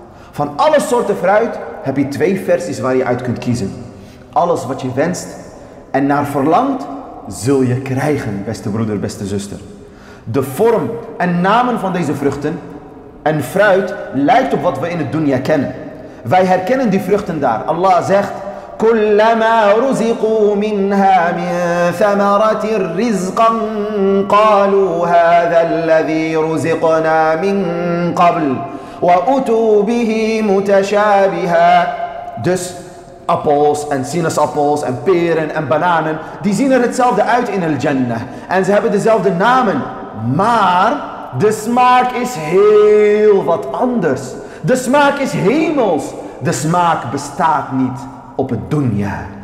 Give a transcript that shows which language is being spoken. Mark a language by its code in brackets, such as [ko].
[nl] Van alle soorten fruit heb je twee versies waar je uit kunt kiezen. Alles wat je wenst en naar verlangt, zul je krijgen, beste broeder, beste zuster. De vorm en namen van deze vruchten en fruit lijkt op wat we in het dunya kennen. Wij herkennen die vruchten daar. Allah zegt, [ar] كُلَّمَا رُزِقُوا مِنْهَا مِنْ ثَمَرَةٍ رِزْقًا قَالُوا هَذَا الَّذِي رُزِقْنَا مِنْ قَبْلُ وَأُتُوا بِهِ مُتَشَابِهًا. [nl] Dus appels en sinaasappels en peren en bananen, die zien er hetzelfde uit in al-Jannah. En ze hebben dezelfde namen. Maar de smaak is heel wat anders. De smaak is hemels. De smaak bestaat niet op het dunya.